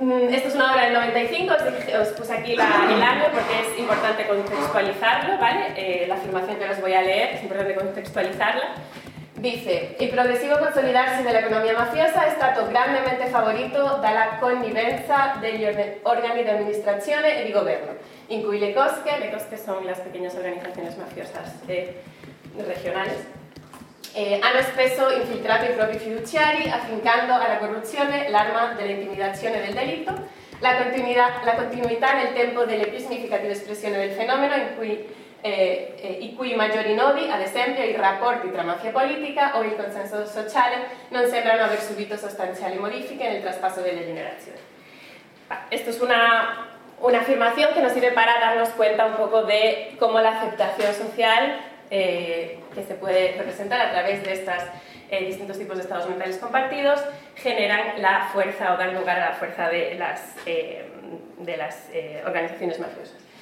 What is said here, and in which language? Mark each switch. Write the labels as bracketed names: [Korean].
[Spanish] Esto es una obra del 95, os puse aquí el año porque es importante contextualizarlo, ¿vale? La afirmación que os voy a leer es importante contextualizarla. Dice, el progresivo consolidarse de la economía mafiosa [Italian] è stato grandemente favorito dalla connivenza degli organi di amministrazione e di governo, in cui le cosche [Spanish] son las pequeñas organizaciones mafiosas regionales, [Italian] hanno spesso infiltrato i propri fiduciari affincando alla corruzione l'arma dell'intimidazione del delitto, la continuità nel tempo delle più significative espressioni del fenomeno in cui i cui maggiori nodi, ad esempio i rapporti tra mafia politica o il consenso sociale, non sembrano aver subito sostanziali modifiche nel traspasso delle generazioni. [Spanish] Esto es una afirmación que nos sirve para darnos cuenta un poco de cómo la aceptación social que se puede representar a través de estos distintos tipos de estados mentales compartidos generan la fuerza o dan lugar a la fuerza de las organizaciones mafiosas.